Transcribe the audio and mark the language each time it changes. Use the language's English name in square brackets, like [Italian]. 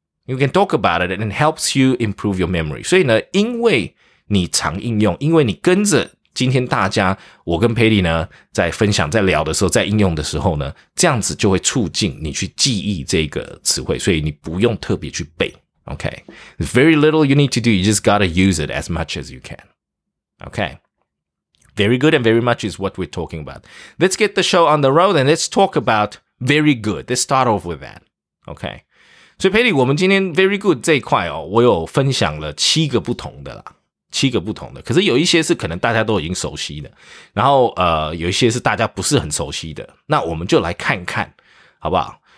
[English] You can talk about it and it helps you improve your memory. [Chinese] 所以呢因为你常应用因为你跟着今天大家我跟 Patty 呢在分享在聊的时候在应用的时候呢这样子就会促进你去记忆这个词汇所以你不用特别去背。 [English] Okay. Very little you need to do. You just gotta use it as much as you can. Okay. Very good and very much is what we're talking about. Let's get the show on the road and let's talk about very good. Let's start off with that. [Chinese] OK, 所以 Patty 我们今天 very good 这一块哦，我有分享了七个不同的啦，七个不同的，可是有一些是可能大家都已经熟悉的，然后有一些是大家不是很熟悉的，那我们就来看看，好不好？